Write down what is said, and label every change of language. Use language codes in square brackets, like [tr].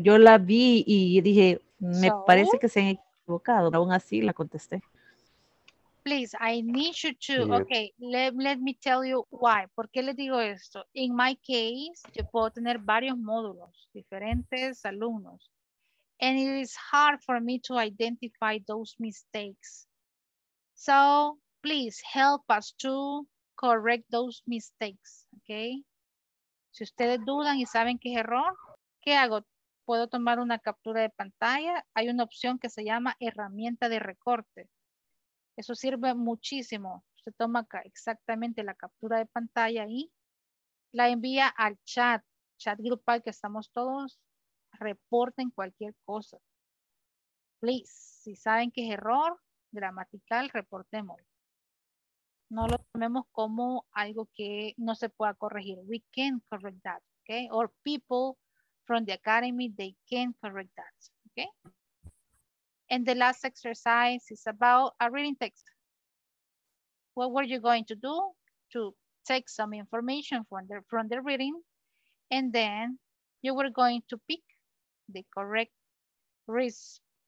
[es] Yo la vi y dije, me parece que se han equivocado. Aún así la contesté. [en] Please, I need you to, yes. Okay, let me tell you why. [es] ¿Por qué le digo esto? [en] In my case, [es] yo puedo tener varios módulos, diferentes alumnos. [en] And it is hard for me to identify those mistakes. So please help us to correct those mistakes, okay? [es] Si ustedes dudan y saben que es error, ¿qué hago? Puedo tomar una captura de pantalla. Hay una opción que se llama herramienta de recorte. Eso sirve muchísimo. Usted toma exactamente la captura de pantalla y la envía al chat grupal que estamos todos. Reporten cualquier cosa. Please, si saben que es error gramatical, reportémoslo. No lo tomemos como algo que no se pueda corregir. [en] We can correct that, okay? Or people from the academy, they can correct that, okay? And the last exercise is about a reading text. What were you going to do? To take some information from the reading, and then you were going to pick the correct response.